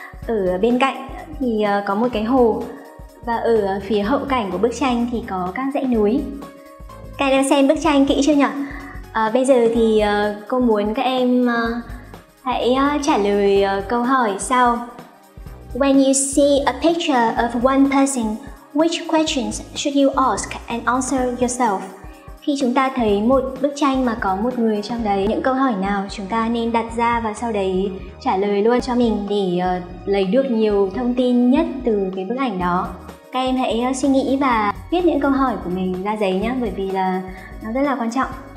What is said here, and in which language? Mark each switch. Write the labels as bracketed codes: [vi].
[vi] Ở bên cạnh thì có một cái hồ và ở phía hậu cảnh của bức tranh thì có các dãy núi. Các em đã xem bức tranh kỹ chưa nhỉ? Bây giờ thì cô muốn các em hãy trả lời câu hỏi sau. [en] When you see a picture of one person, which questions should you ask and answer yourself? [vi] Khi chúng ta thấy một bức tranh mà có một người trong đấy, những câu hỏi nào chúng ta nên đặt ra và sau đấy trả lời luôn cho mình để lấy được nhiều thông tin nhất từ cái bức ảnh đó. Các em hãy suy nghĩ và viết những câu hỏi của mình ra giấy nhé, bởi vì là nó rất là quan trọng.